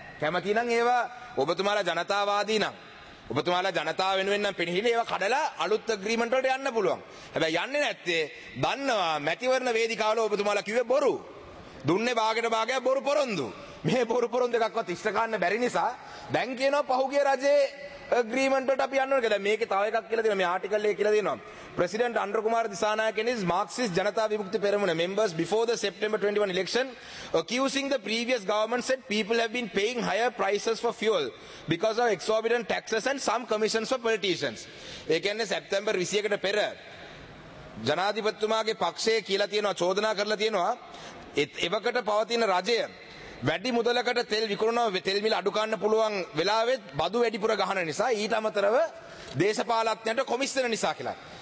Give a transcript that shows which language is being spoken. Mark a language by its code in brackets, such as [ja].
[si] කැමති නම් ඒවා ඔබතුමාලා ජනතාවාදී නම් ඔබතුමාලා ජනතාව වෙනුවෙන් නම් පිළිහිලි ඒවා කඩලා අලුත් අග්‍රීමන්ට් වලට යන්න පුළුවන්. හැබැයි යන්නේ නැත්තේ දන්නවා මැතිවරණ වේදිකාවල ඔබතුමාලා කිව්වේ බොරු. දුන්නේ භාගෙට භාගය බොරු පොරොන්දු. මේ බොරු පොරොන්දු එකක්වත් ඉෂ්ට කරන්න බැරි නිසා දැන් කියනවා පහුගිය රජයේ agreement වලට අපි යන්න ඕනේ කියලා. දැන් මේකේ තව එකක් කියලා දෙනවා මේ ආටිකල් එකේ කියලා දෙනවා. [en] President Andra Kumar Dishanayake is Marxist Janata Vimukti Peramuna members before the September 21 election accusing the previous government said people have been paying higher prices for fuel because of exorbitant taxes and some commissions for politicians. [si] ඒ කියන්නේ September 21 එකට පෙර ජනාධිපතිතුමාගේ පක්ෂයේ කියලා තියෙනවා චෝදනා කරලා තියෙනවා එවකට පවතින රජය වැඩි මුදලකට තෙල් විකුණනවා තෙල් මිල අඩු කරන්න පුළුවන් වෙලාවෙත් බදු වැඩිපුර ගහන නිසා ඊට අමතරව දේශපාලඥයන්ට කොමිස්සන නිසා කියලා.